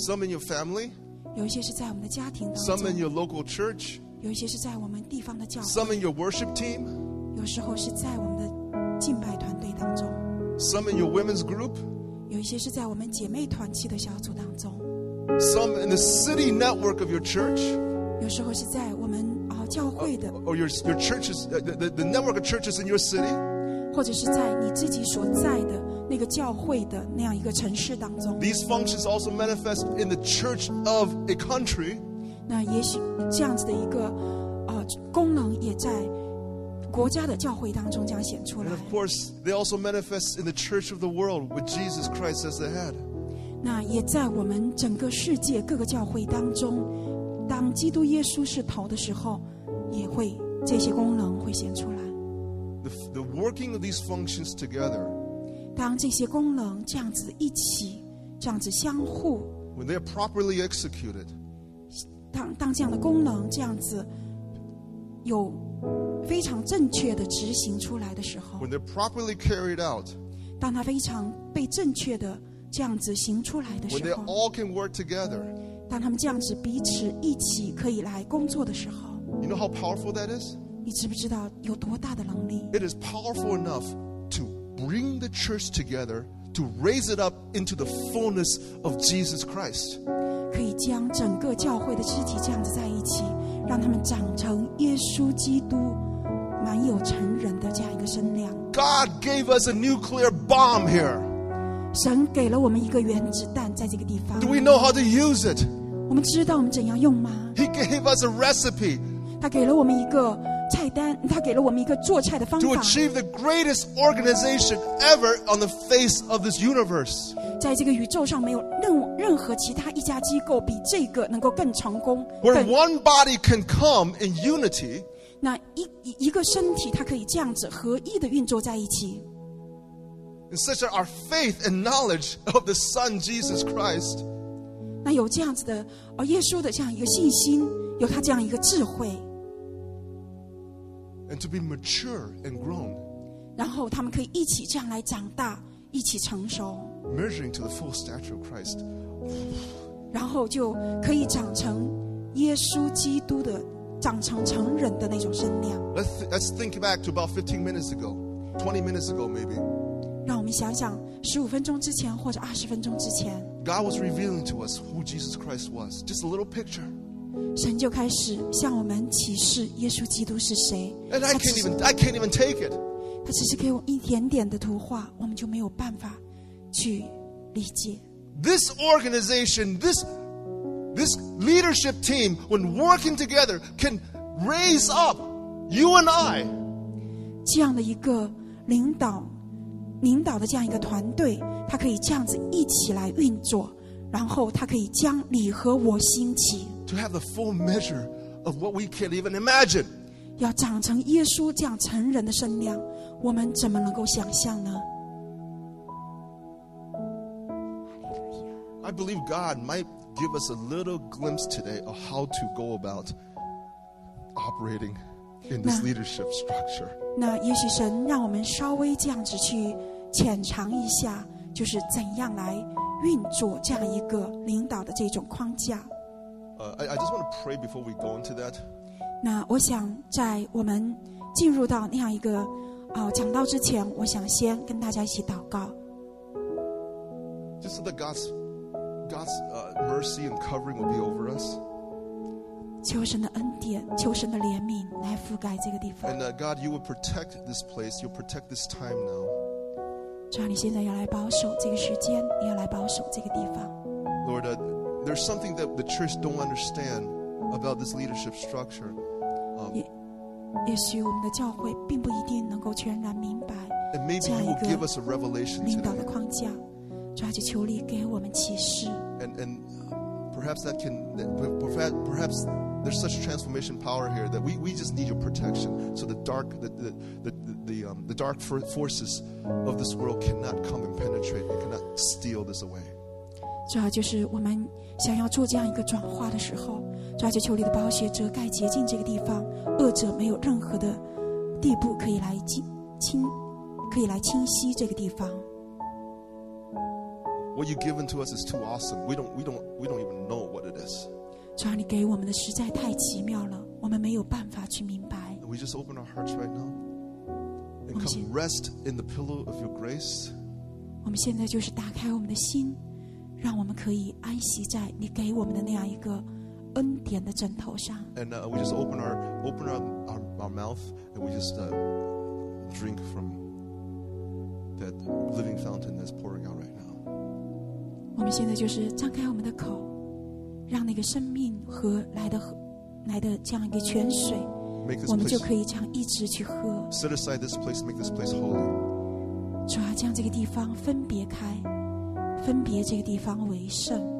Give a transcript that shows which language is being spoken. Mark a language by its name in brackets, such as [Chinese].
[English] Some in your family. [Chinese] 有一些是在我们的家庭当中。 [English] Some in your local church. [Chinese] 有一些是在我们地方的教会。 [English] Some in your worship team. [Chinese] 有时候是在我们的敬拜团队当中。 [English] Some in your women's group. [Chinese] 有一些是在我们姐妹团契的小组当中。 [English] Some in the city network of your church. [Chinese] 有时候是在我们教会的。 [English] Or your churches, the network of churches in your city. [Chinese] 或者是在你自己所在的那个教会的那样一个城市当中。 [English] These functions also manifest in the church of a country. [Chinese] 那也许这样子的一个功能也在国家的教会当中将显出来。 [English] And of course, they also manifest in the church of the world with Jesus Christ as the head. [Chinese] 那也在我们整个世界各个教会当中，当基督耶稣是头的时候，也会这些功能会显出来。 [English] The working of these functions together. [Chinese] 当这些功能这样子一起，这样子相互。 [English] When they are properly executed. [Chinese] 当这样的功能这样子有非常正确的执行出来的时候。 [English] When they're properly carried out. [Chinese] 当它非常被正确的这样子行出来的时候。 [English] When they all can work together. [Chinese] 当他们这样子彼此一起可以来工作的时候。 [English] You know how powerful that is? [Chinese] 你知不知道有多大的能力？ [English] It is powerful enough to bring the church together, to raise it up into the fullness of Jesus Christ. [Chinese] 可以将整个教会的肢体这样子在一起，让他们长成耶稣基督满有成人的这样一个身量。 [English] God gave us a nuclear bomb here. [Chinese] 神给了我们一个原子弹在这个地方。 [English] Do we know how to use it? [Chinese] 我们知道我们怎样用吗？ [English] He gave us a recipe. [Chinese] 他给了我们一个菜单，他给了我们一个做菜的方法。 [English] To achieve the greatest organization ever on the face of this universe. [Chinese] 在这个宇宙上没有任何其他一家机构比这个能够更成功。 [English] Where one body can come in unity. [Chinese] 那一个身体它可以这样子合一的运作在一起。 [English] In such that our faith and knowledge of the Son Jesus Christ. [Chinese] 那有这样子的，而耶稣的这样一个信心，有他这样一个智慧。 [English] And to be mature and grown. [Chinese] 然后他们可以一起这样来长大，一起成熟。 [English] Measuring to the full stature of Christ. [Chinese] 然后就可以长成耶稣基督的，长成成人的那种身量。 [English] Let's think back to about 15 minutes ago, 20 minutes ago maybe. [Chinese] 让我们想想15分钟之前或者20分钟之前。 [English] God was revealing to us who Jesus Christ was, just a little picture. [Chinese] 神就开始向我们启示耶稣基督是谁。 [English] And I can't even take it. [Chinese] 他只是给我一点点的图画，我们就没有办法去理解。 [English] This organization, this leadership team, when working together, can raise up you and I. [Chinese] 这样的一个领导的这样一个团队，他可以这样子一起来运作，然后他可以将你和我兴起。 [English] To have the full measure of what we can't even imagine. [Chinese] 要长成耶稣这样成人的身量，我们怎么能够想象呢？ [English] I believe God might give us a little glimpse today of how to go about operating in this leadership structure. [Chinese] 那也许神让我们稍微这样子去浅尝一下，就是怎样来运作这样一个领导的这种框架。 [English] I just want to pray before we go into that. [Chinese] 那我想在我们进入到那样一个讲道之前，我想先跟大家一起祷告。 [English] Just so that God's mercy and covering will be over us. [Chinese] 求神的恩典，求神的怜悯来覆盖这个地方。 [English] And God, you will protect this place. You'll protect this time now. [Chinese] 主啊，你现在要来保守这个时间，也要来保守这个地方。 [English] Lord, there's something that the church don't understand about this leadership structure. [Chinese] 也许我们的教会并不一定能够全然明白这样一个。 [English] And maybe you will give us a revelation today. [Chinese] 领导的框架，主啊，就求你给我们启示。 [English] And perhaps that can, perhaps there's such transformation power here that we just need your protection, so the dark forces of this world cannot come and penetrate, and cannot steal this away. [Chinese] 主要就是我们想要做这样一个转化的时候，主要就求你的宝血遮盖洁净这个地方，恶者没有任何的地步可以来侵袭这个地方。 [English] What you've given to us is too awesome. We don't even know what it is. [Chinese] 主啊，你给我们的实在太奇妙了，我们没有办法去明白。 [English] We just open our hearts right now and come rest in the pillow of your grace. [Chinese] 我们现在就是打开我们的心，让我们可以安息在你给我们的那样一个恩典的枕头上。 [English] And we just open our mouth and we just drink from that living fountain that's pouring out right now. [Chinese] 我们现在就是张开我们的口，让那个生命和来的这样一个泉水，我们就可以这样一直去喝。 [English] Set aside this place, make this place holy. [Chinese] 主啊，将这个地方分别开，分别这个地方为圣。